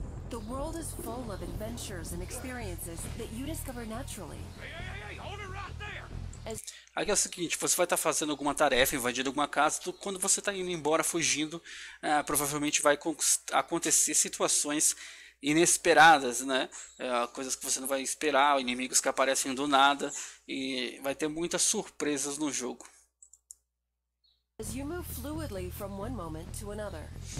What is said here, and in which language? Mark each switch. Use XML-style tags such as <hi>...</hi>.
<en>The world is full of adventures and experiences that you discover naturally.</en> <pt>Aqui é o seguinte, você vai estar fazendo alguma tarefa, invadindo alguma casa, quando você está indo embora, fugindo, provavelmente vai acontecer situações inesperadas, né? Coisas que você não vai esperar, inimigos que aparecem do nada, e vai ter muitas surpresas no jogo.</pt> <en>As you move fluidly from one moment to another.</en>